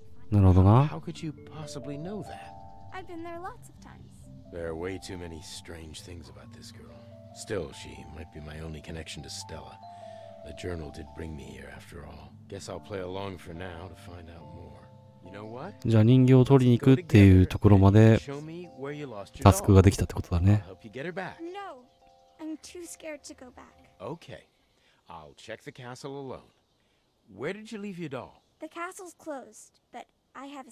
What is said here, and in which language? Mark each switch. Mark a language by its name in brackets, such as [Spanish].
[Japanese] なるほどな。 [English] How could you possibly know that? I've been there lots of times. There are way too many strange things about this girl. Still, she might be my only connection to Stella. The journal did bring me here after all. Guess I'll play along for now to find out more. You know what? [Japanese] じゃあ人形を取りに行くっていうところまでタスクができたってことだね。 [English] I'll help you get her back. No, I'm too scared to go back. Okay, I'll check the castle alone. Where did you leave your doll? The castle's closed, but I have a